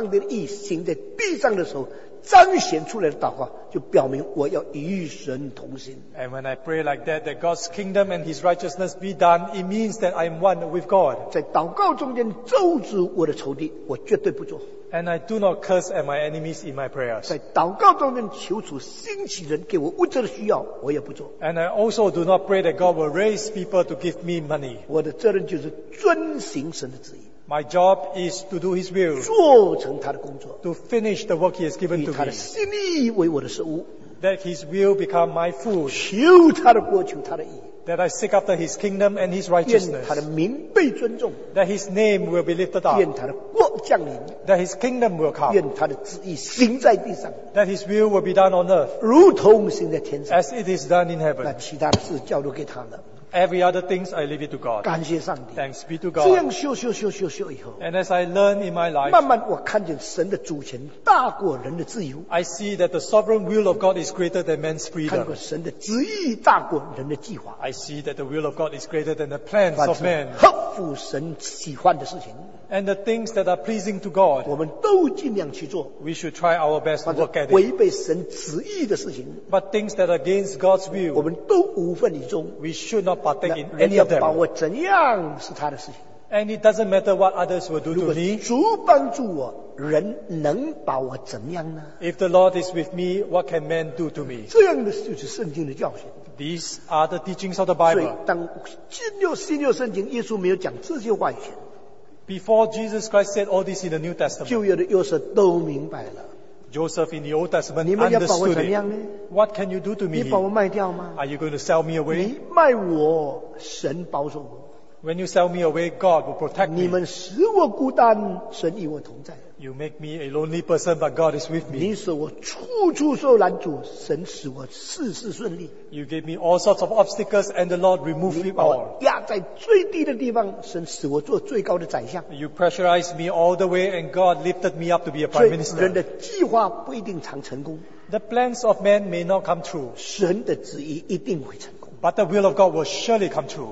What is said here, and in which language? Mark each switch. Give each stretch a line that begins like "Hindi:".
Chinese: 当我把盼望上帝的国、兴旺上帝的义行在地上的时候。彰显出来的祷告就表明我要与神同行。
English: And when I pray like that, that God's kingdom and His righteousness be done, it means that I'm one with God.
Chinese: 在祷告中间咒诅我的仇敌，我绝对不做。
English: And I do not curse at my enemies in my prayers.
Chinese: 在祷告中间求主兴起人给我物质的需要，我也不做。
English: And I also do not pray that God will raise people to give me money.
Chinese: 我的责任就是遵行神的旨意。
English: My job is to do His will.
Chinese: 做成他的工作,
English: to finish the work He has given to me.
Chinese: 以他的心意为我的事物,
English: that His will become my food.
Chinese: 求他的国求他的义,
English: that I seek after His kingdom and His righteousness.
Chinese: 愿他的名被尊重,
English: that His name will be lifted up.
Chinese: 愿他的国降临,
English: that His kingdom will come.
Chinese: 愿他的旨意行在地上,
English: that His will will be done on earth.
Chinese: 如同行在天上,
English: as it is done in heaven.
Chinese: 那其他的事交托给他的。
English: Every other things I leave it to God.
Chinese: 感谢上帝,
English: thanks be to God.
Chinese: 这样修修修修修以后,
English: and as I learn in my life,
Chinese: 慢慢我看见神的主权大过人的自由,
English: I see that the sovereign will of God is greater than man's freedom.
Chinese: 看过神的旨意大过人的计划,
English: I see that the will of God is greater than the plans of man.
Chinese: 合乎神喜欢的事情,
English: and the things that are pleasing to God,
Chinese: 我们都尽量去做,
English: we should try our best to work at it.
Chinese: 违背神旨意的事情,
English: but things that are against God's will,
Chinese: 我们都无份以中,
English: we should not partake in any of them.
Chinese: 把我怎样是他的事情,
English: and it doesn't matter what others will do to me.
Chinese: 如果主帮助我, 人能把我怎样呢?
English: If the Lord is with me, what can man do to me?
Chinese: 这样的就是圣经的教训。
English: These are the teachings of the Bible.
Chinese: 所以当新约圣经耶稣没有讲这些话语前,
English: before Jesus Christ said all this in the New Testament,
Chinese: 旧约的约瑟都明白了,
English: Joseph in the Old Testament understood it. What can you do to me?
Chinese: 你把我卖掉吗?
English: Are you going to sell me away?
Chinese: 你卖我, 神保守我。
English: When you sell me away, God will protect me.
Chinese: 你们使我孤单, 神与我同在。
English: You make me a lonely person, but God is with me.
Chinese: 你使我处处受拦阻, 神使我事事顺利。
English: You gave me all sorts of obstacles, and the Lord removed it all.
Chinese: 压在最低的地方, 神使我做最高的宰相。
English: You pressurized me all the way, and God lifted me up to be a prime minister.
Chinese: 所以人的计划不一定常成功。
English: The plans of man may not come true.
Chinese: 神的旨意一定会成功。
English: But the will of God will surely come true.